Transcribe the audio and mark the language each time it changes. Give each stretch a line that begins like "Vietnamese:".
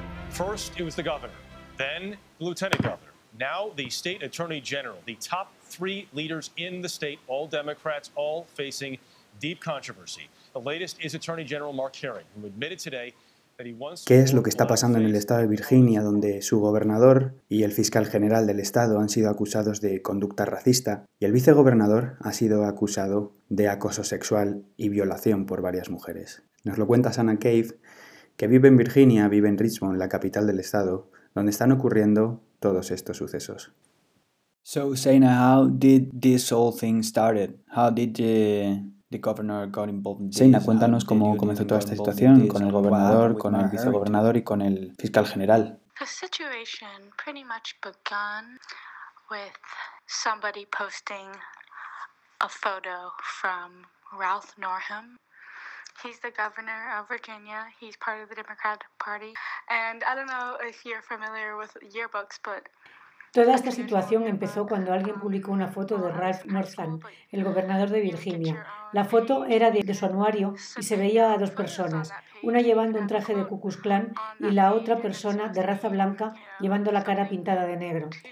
English: First it was the governor, then lieutenant governor, now the state attorney general, the top three leaders in the state, all Democrats, all facing deep controversy. The latest is Attorney General Mark Herring, who admitted today that he once...
Spanish: ¿Qué es lo que está pasando en el estado de Virginia, donde su gobernador y el fiscal general del estado han sido acusados de conducta racista y el vicegobernador ha sido acusado de acoso sexual y violación por varias mujeres? Nos lo cuenta Sana Cave, que vive en Virginia, vive en Richmond, la capital del estado, donde están ocurriendo todos estos sucesos.
English: So, Sana, how did this whole thing started? How did the governor got involved in this?
Spanish: Sana, cuéntanos cómo comenzó toda esta situación con el gobernador, con el vicegobernador y con el fiscal general.
English: The situation pretty much began with somebody posting a photo from Ralph Northam. He's the governor of Virginia. He's part of the Democratic Party. And I don't know if you're familiar with yearbooks, but...
Spanish: Toda esta situación empezó cuando alguien publicó una foto de Ralph Northam, el gobernador de Virginia. La foto era de su anuario y se veía a dos personas, una llevando un traje de Ku Klux Klan y la otra persona de raza blanca llevando la cara pintada de negro.